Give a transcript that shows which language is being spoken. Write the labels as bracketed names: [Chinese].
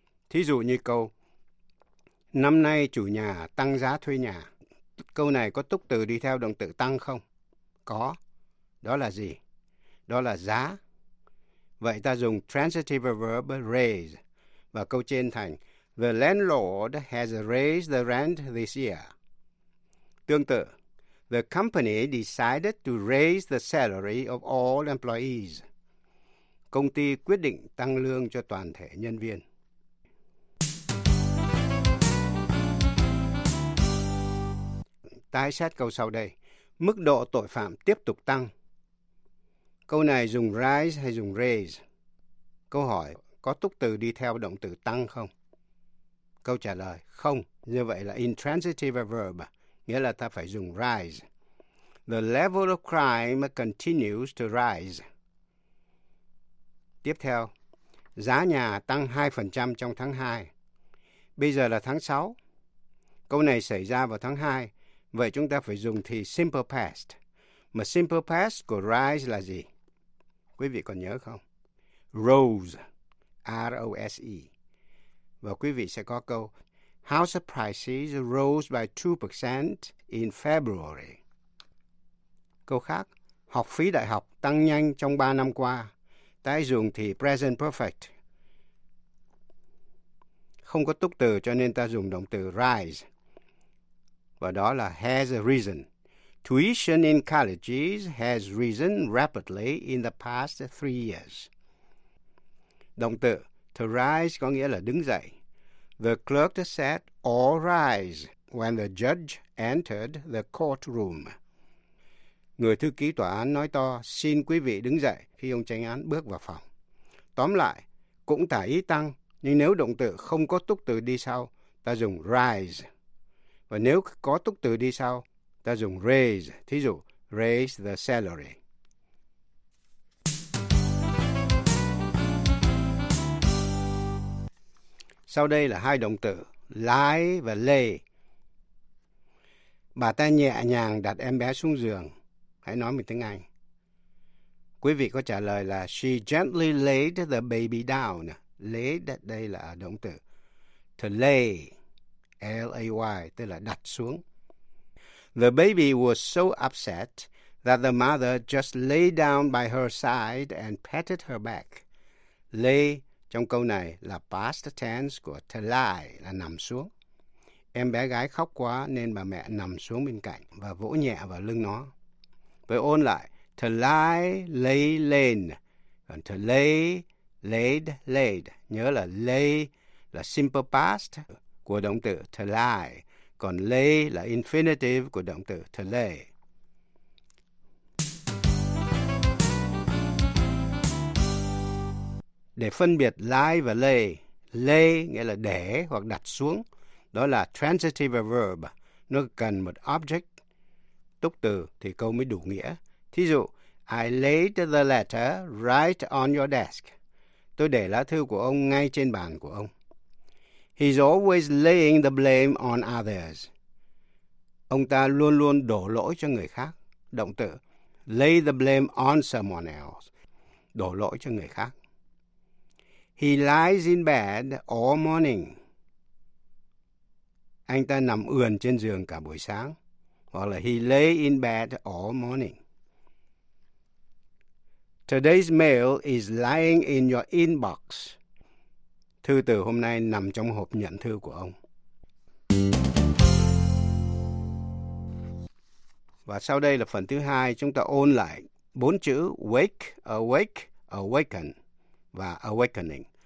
[Vietnamese] Thí dụ như câu, năm nay chủ nhà tăng giá thuê nhà. Câu này có tục từ đi theo động từ tăng không? Có. Đó là gì? Đó là giá. Vậy ta dùng transitive verb raise và câu trên thành [English] The landlord has raised the rent this year. [Vietnamese] Tương tự, [English] the company decided to raise the salary of all employees. [Vietnamese] Công ty quyết định tăng lương cho toàn thể nhân viên. Tái xét câu sau đây. Mức độ tội phạm tiếp tục tăng. Câu này dùng rise hay dùng raise? Câu hỏi có túc từ đi theo động từ tăng không? Câu trả lời không. Như vậy là intransitive verb, nghĩa là ta phải dùng rise. [English] The level of crime continues to rise. [Vietnamese] Tiếp theo, giá nhà tăng 2% trong tháng 2. Bây giờ là tháng 6. Câu này xảy ra vào tháng 2. Vậy chúng ta phải dùng thì simple past. Mà simple past của rise là gì? Quý vị còn nhớ không? Rose, R-O-S-E. Và quý vị sẽ có câu [English] house prices rose by 2% in February. [Vietnamese] Câu khác, học phí đại học tăng nhanh trong 3 năm qua. Tái dùng thì present perfect. Không có túc từ cho nên ta dùng động từ rise. Và đó là [English] has risen. Tuition in colleges has risen rapidly in the past 3 years. [Vietnamese] Động từ to rise có nghĩa là đứng dậy. [English] The clerk said all rise when the judge entered the courtroom. [Vietnamese] Người thư ký tòa án nói to, xin quý vị đứng dậy khi ông chánh án bước vào phòng. Tóm lại, cũng tả ý tăng, nhưng nếu động từ không có túc từ đi sau, ta dùng rise. Và nếu có túc từ đi sau, ta dùng raise. Thí dụ, [English] raise the salary. [Vietnamese] Sau đây là hai động từ, lie và lay. Bà ta nhẹ nhàng đặt em bé xuống giường. Hãy nói mình tiếng Anh. Quý vị có trả lời là [English] she gently laid the baby down. [Vietnamese] Laid đây là động từ. To lay, L-A-Y, tức là đặt xuống. [English] The baby was so upset that the mother just lay down by her side and patted her back. [Vietnamese] Lay trong câu này là past tense của to lie, là nằm xuống. Em bé gái khóc quá nên bà mẹ nằm xuống bên cạnh và vỗ nhẹ vào lưng nó. Với ôn lại, to lie, lay, lain. Còn to lay, laid, laid. Nhớ là lay là simple past của động từ to lie. Còn lay là infinitive của động từ to lay. Để phân biệt lie và lay, lay nghĩa là để hoặc đặt xuống. Đó là transitive verb. Nó cần một object. Túc từ thì câu mới đủ nghĩa. Thí dụ, [English] I laid the letter right on your desk. [Vietnamese] Tôi để lá thư của ông ngay trên bàn của ông. [English] He's always laying the blame on others. [Vietnamese] Ông ta luôn luôn đổ lỗi cho người khác. Động từ, [English] lay the blame on someone else. [Vietnamese] Đổ lỗi cho người khác. [English] He lies in bed all morning. [Vietnamese] Anh ta nằm ườn trên giường cả buổi sáng. Hoặc là [English] he lay in bed all morning. Today's mail is lying in your inbox. [Vietnamese] Thư từ hôm nay nằm trong hộp nhận thư của ông. Và sau đây là phần thứ hai, chúng ta ôn lại 4 chữ wake, awake, awaken và awakening.